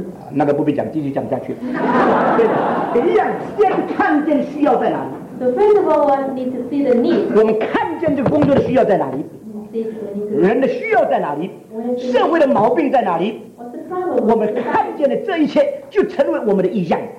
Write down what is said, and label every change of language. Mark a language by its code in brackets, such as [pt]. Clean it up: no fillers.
[zh] 那个不必讲，继续讲下去。对，一样，先看见需要在哪里。 [en] So first of all, we need to see the need. [zh] 我们看见这工作的需要在哪里？人的需要在哪里？社会的毛病在哪里？我们看见了这一切，就成为我们的意向。